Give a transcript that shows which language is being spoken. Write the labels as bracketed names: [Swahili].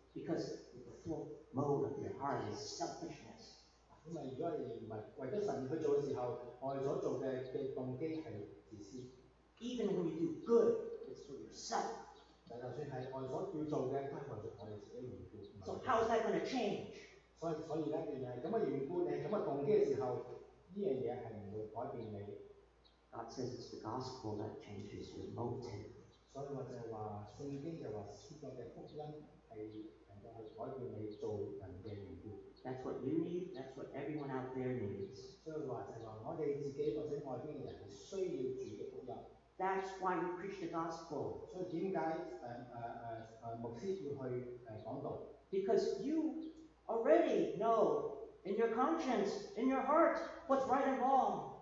[English] Because the full mode of your heart is selfishness. [Cantonese] 因為如果你唔係為咗神去做嘅時候，我哋所做嘅動機係自私。 [English] Even when you do good, it's for yourself. [Cantonese] 但就算係我哋所要做嘅，都係為咗我哋自己而做。 [English] So how is that going to change? [Cantonese] 所以咧，原來咁嘅緣故，你係咁嘅動機嘅時候，呢樣嘢係唔會改變你。 [English] God says it's the gospel that changes your motive. [Cantonese] 所以我就話聖經就話呢個嘅福音係能夠去改變你做人嘅緣故。 [English] That's what you need. That's what everyone out there needs. [Cantonese] 所以話就話我哋自己或者外邊嘅人係需要主嘅福音。 [English] That's why we preach the gospel. [Cantonese] 所以點解牧師要去講道？ [English] Because you already know in your conscience, in your heart, what's right and wrong.